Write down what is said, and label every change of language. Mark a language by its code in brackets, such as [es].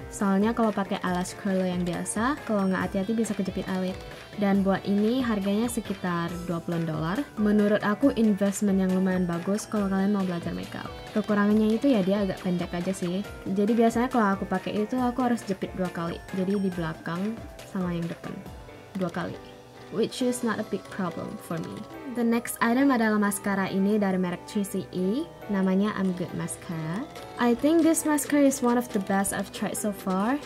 [id] Soalnya kalau pakai alas curler yang biasa, kalau gak hati-hati bisa kejepit alat. Dan buat ini harganya sekitar $20. Menurut aku investment yang lumayan bagus kalau kalian mau belajar makeup. Kekurangannya itu ya dia agak pendek aja sih. Jadi biasanya kalau aku pakai itu aku harus jepit 2 kali. Jadi di belakang sama yang depan 2 kali. [en] Which is not a big problem for me. The next item [id] adalah mascara ini dari merek TCE. Namanya I'm Good Mascara. [en] I think this mascara is one of the best I've tried so far.